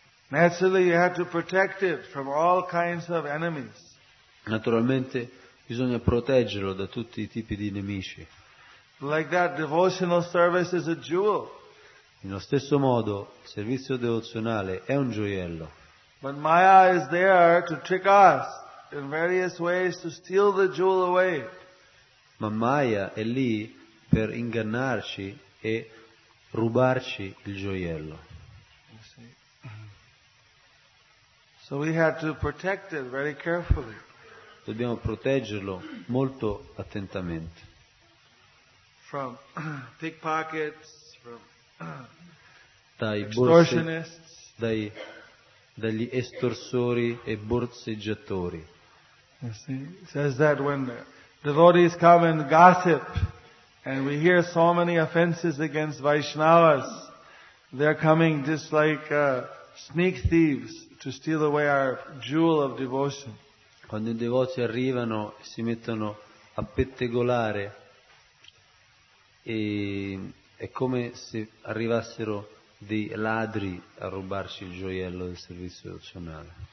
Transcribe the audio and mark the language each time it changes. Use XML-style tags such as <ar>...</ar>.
<en>Naturally, you have to protect it from all kinds of enemies.</en> <it>Naturalmente, bisogna proteggerlo da tutti i tipi di nemici.</it> <en>Like that, devotional service is a jewel.</en> <it>In lo stesso modo, il servizio devozionale è un gioiello.</it> <en>But Maya is there to trick us in various ways to steal the jewel away.</en> <it>Ma Maya è lì per ingannarci e rubarci il gioiello.</it> <en>So we have to protect it very carefully.</en> <it>Dobbiamo proteggerlo molto attentamente.</it> <en>From pickpockets, from</en> <it>dai</it> <en>extortionists,</en> <it>dagli estorsori e borseggiatori.</it> <en>You see, it says that when the devotees come and gossip, and we hear so many offenses against Vaishnavas, they're coming just like sneak thieves to steal away our jewel of devotion.</en> <it>Quando i devoti arrivano e si mettono a pettegolare, è come se arrivassero dei ladri a rubarci il gioiello del servizio devozionale.</it>